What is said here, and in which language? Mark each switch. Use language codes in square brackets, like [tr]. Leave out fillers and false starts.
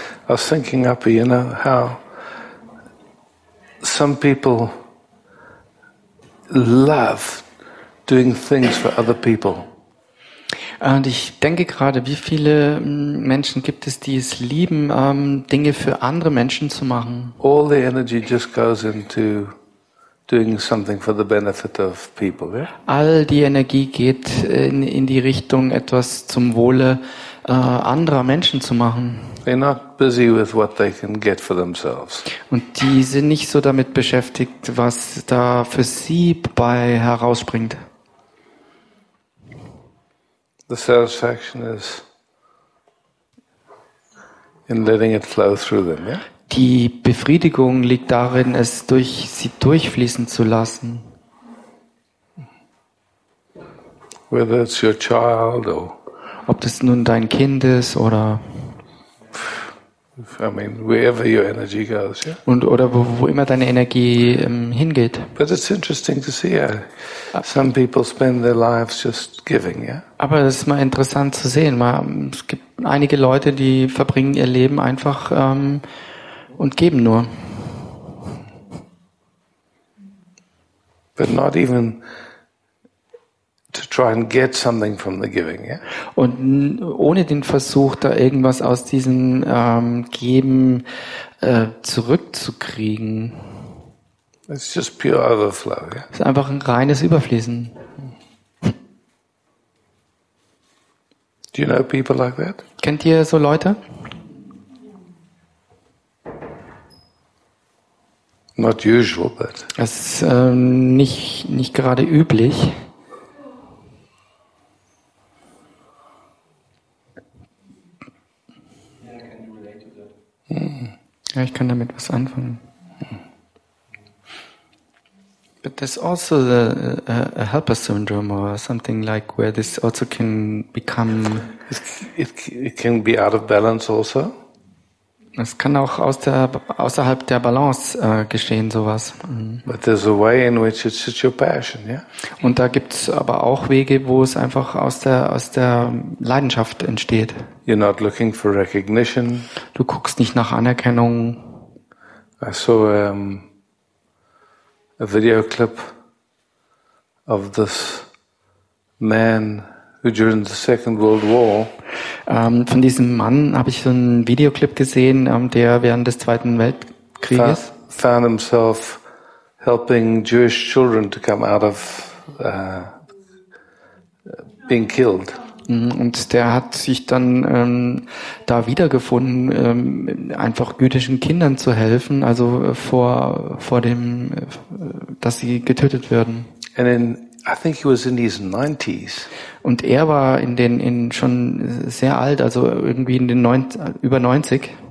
[en] I was thinking, Uppy, you know, how some people love doing things for other people. [de] Und ich denke gerade, wie viele Menschen gibt es, die es lieben, Dinge für andere Menschen zu machen? [en] All the energy just goes into doing something for the benefit of people, yeah? [de] All die Energie geht in die Richtung, etwas zum Wohle anderer Menschen zu machen. [en] They're not busy with what they can get for themselves. [de] Und die sind nicht so damit beschäftigt, was da für sie bei herausspringt. [en] The satisfaction is in letting it flow through them, yeah? [de] Die Befriedigung liegt darin, es durch sie durchfließen zu lassen. [en] Whether it's your child or [de] ob das nun dein Kind ist oder [en] I mean, wherever your energy goes, yeah? [de] Und oder wo immer deine Energie hingeht. [en] But it's interesting to see, yeah? Some people spend their lives just giving, yeah? [de] Aber es ist mal interessant zu sehen. Es gibt einige Leute, die verbringen ihr Leben einfach und geben nur. [en] But not even to try and get something from the giving, yeah? [de] Und ohne den Versuch, da irgendwas aus diesem Geben zurückzukriegen. [en] It's just pure overflow, yeah? [de] Es ist einfach ein reines Überfließen. [en] Do you know people like that? [de] Kennt ihr so Leute? [en] Not usual, but [de] es ist nicht gerade üblich. Ja, ich kann damit was anfangen. [en] But there's also the a helper syndrome or something like where this also can become. It can be out of balance also. [de] Es kann auch außerhalb der Balance geschehen, sowas. [en] But there's a way in which it's just your passion, yeah. [de] Und da gibt's aber auch Wege, wo es einfach aus der Leidenschaft entsteht. [en] You're not looking for recognition. [de] Du guckst nicht nach Anerkennung. [en] I saw a video clip of this man who during the Second World War. [de] Von diesem Mann habe ich so einen Videoclip gesehen, der während des Zweiten Weltkrieges [en] found himself helping Jewish children to come out of being killed. [de] Und der hat sich dann da wiedergefunden, einfach jüdischen Kindern zu helfen, also vor dem, dass sie getötet werden. [en] And then I think he was in his 90s. [de] Und er war in schon sehr alt, also irgendwie in den über 90.